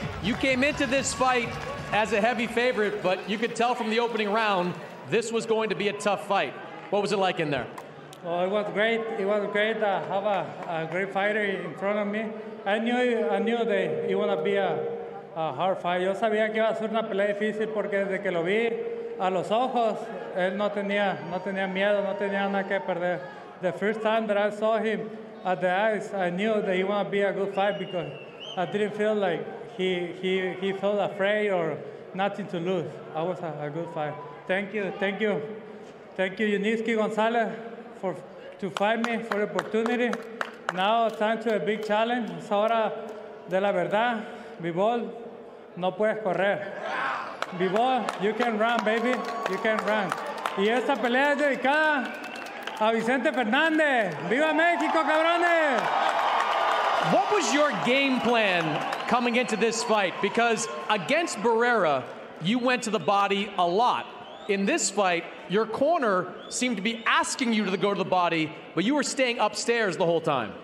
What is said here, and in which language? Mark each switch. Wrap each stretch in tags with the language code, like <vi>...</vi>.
<en>You came into this fight as a heavy favorite, but you could tell from the opening round this was going to be a tough fight. What was it like in there? Well, it was great. It was great to have a great fighter in front of me. I knew that it would be a hard fight.</en> <es>Yo sabía que iba a ser una pelea difícil porque desde que lo vi a los ojos, él no tenía miedo, no tenía nada que perder.</es> <en>The first time that I saw him at the eyes, I knew that he would be a good fight because I didn't feel like he felt afraid or nothing to lose. I was a good fight. Thank you. Thank you, Yunieski Gonzalez, to fight me for the opportunity. Now time to a big challenge.</en> <es>Es hora de la verdad.</es> <en>B-ball,</en> <es>no puedes correr.</es> <en>B-ball, you can run, baby. You can run.</en> <es>Y esta pelea es dedicada a Vicente Fernández. ¡Viva México, cabrones!</es> <en>What was your game plan coming into this fight? Because against Barrera, you went to the body a lot. In this fight, your corner seemed to be asking you to go to the body, but you were staying upstairs the whole time.</en>